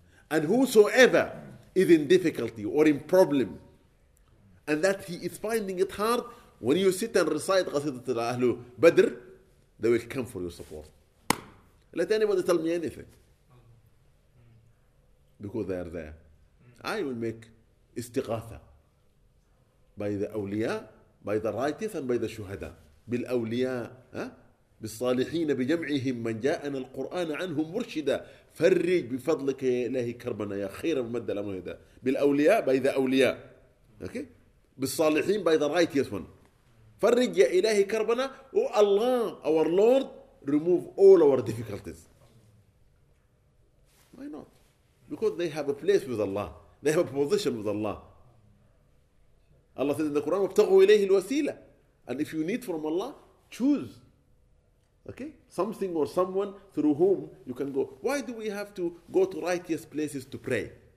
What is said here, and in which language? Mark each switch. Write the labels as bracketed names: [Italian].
[English] And whosoever is in difficulty or in problem, and that he is finding it hard, when you sit and recite Qasidat al-Ahlu Badr, they will come for your support. Let anybody tell me anything. Because they are there. I will make istighatha by the awliya, by the righteous, and by the shuhada. [Arabic] Bil awliya, بالصالحين بجمعهم من جاءنا القرآن عنهم مرشدا فرج بفضلك يا إلهي كربنا يا خير مد الأمهدا بالأولياء [English] by the [Arabic] أولياء okay بالصالحين [English] by the righteous one [Arabic] فرج يا إلهي كربنا و الله [English] our Lord remove all our difficulties. Why not? Because they have a place with Allah, they have a position with Allah. Allah says in the Quran [Arabic] وابتغوا إليه الوسيلة, [English] and if you need from Allah, choose okay something or someone through whom you can go. Why do we have to go to righteous places to pray?